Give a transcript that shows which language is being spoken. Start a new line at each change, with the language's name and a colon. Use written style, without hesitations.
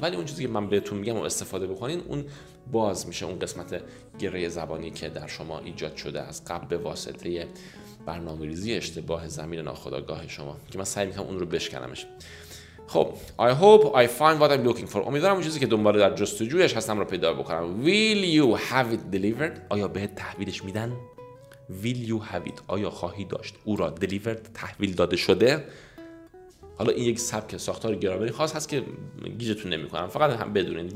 Persian: ولی اون چیزی که من بهتون میگم و استفاده بکنین، اون باز میشه اون قسمت گره زبانی که در شما ایجاد شده از قبل به واسطه برنامه‌ریزی اشتباه ضمیر ناخودآگاه شما، که من سعی میکنم اون رو بشکنمش.
English: خب I hope I find what I'm looking for.
Persian: امیدوارم اون چیزی که دنبال در جستجویش هستم رو پیدا بکنم.
English: Will you have it delivered؟
Persian: آیا بهت تحویلش میدن؟
English: Will you have it؟
Persian: آیا خواهی داشت او را delivered، تحویل داده شده؟ حالا این یک سبک ساختار گرامری خاص هست که گیجتون نمی کنم، فقط هم بدونین.